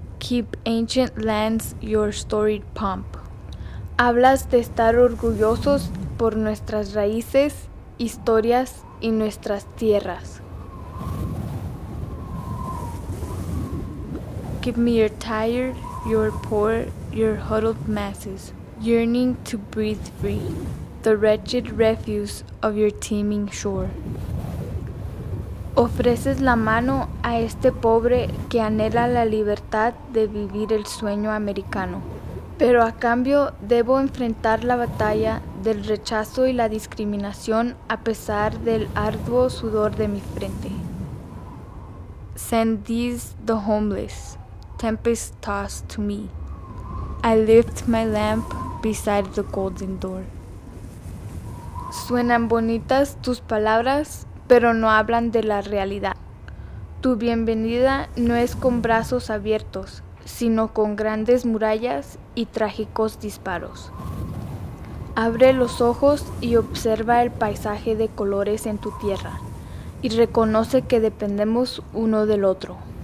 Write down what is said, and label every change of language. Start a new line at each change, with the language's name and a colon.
English: keep ancient lands your storied pomp.
Spanish: Hablas de estar orgullosos por nuestras raíces, historias y nuestras tierras.
English: Give me your tired, your poor, your huddled masses, yearning to breathe free, the wretched refuse of your teeming shore.
Spanish: Ofreces la mano a este pobre que anhela la libertad de vivir el sueño americano. Pero a cambio, debo enfrentar la batalla del rechazo y la discriminación a pesar del arduo sudor de mi frente.
English: Send these the homeless, tempest tossed to me. I lift my lamp beside the golden door.
Spanish: Suenan bonitas tus palabras, pero no hablan de la realidad. Tu bienvenida no es con brazos abiertos, sino con grandes murallas y trágicos disparos. Abre los ojos y observa el paisaje de colores en tu tierra y reconoce que dependemos uno del otro.